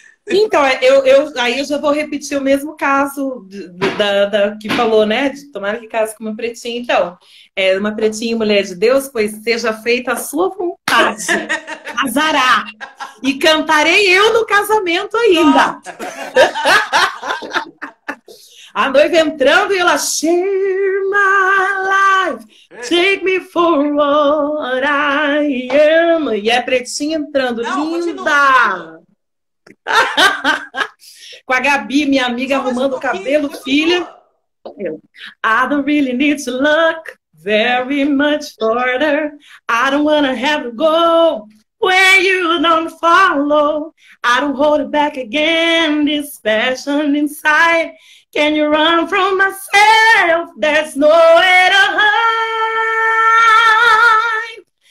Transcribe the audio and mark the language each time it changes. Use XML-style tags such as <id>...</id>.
<pt>Então, eu já vou repetir o mesmo caso da que falou, né? De tomar que case com uma pretinha. Então, é uma pretinha, mulher de Deus, pois seja feita a sua vontade. Casará. E cantarei eu no casamento ainda. A noiva entrando e ela...</pt> <en>Share my life, take me for what I am.</en> <pt>E é pretinha entrando. Não, linda! Continua. Com a Gabi, minha amiga, só arrumando o cabelo, filha.</pt> <en>I don't really need to look very much further. I don't wanna have to go where you don't follow. I don't hold it back again, this passion inside. Can you run from myself? There's nowhere to hide.</en>